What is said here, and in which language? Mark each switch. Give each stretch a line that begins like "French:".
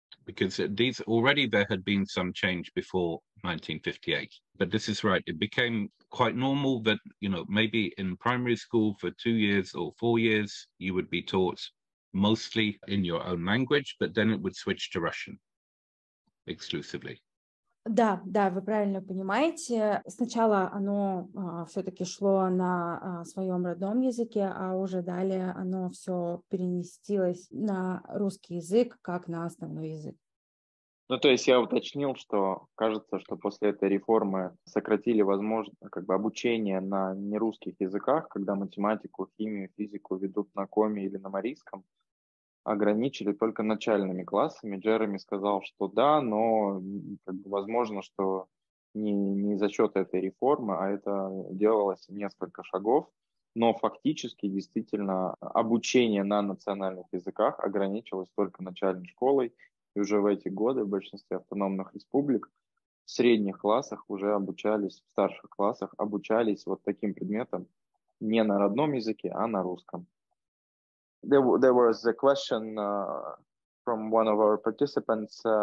English: Because there had been some change before 1958. But this is right. It became quite normal that, you know, maybe in primary school for 2 years or 4 years, you would be taught mostly in your own language, but then it would switch to Russian exclusively.
Russian: Да, вы правильно понимаете. Сначала оно все-таки шло на своем родном языке, а уже далее оно все переместилось на русский язык как на основной язык. Ну, то есть я уточнил, что кажется, что после этой реформы сократили, возможно, как бы обучение на нерусских языках, когда математику, химию, физику ведут на коми или на марийском, ограничили только начальными классами. Джереми сказал, что да, но как бы возможно, что не за счет этой реформы, а это делалось несколько шагов, но фактически действительно обучение на национальных языках ограничилось только начальной школой. И уже в эти годы в большинстве автономных республик в средних классах уже обучались, в старших классах обучались вот таким предметам не на родном языке, а на русском.
English: There was a question from one of our participants.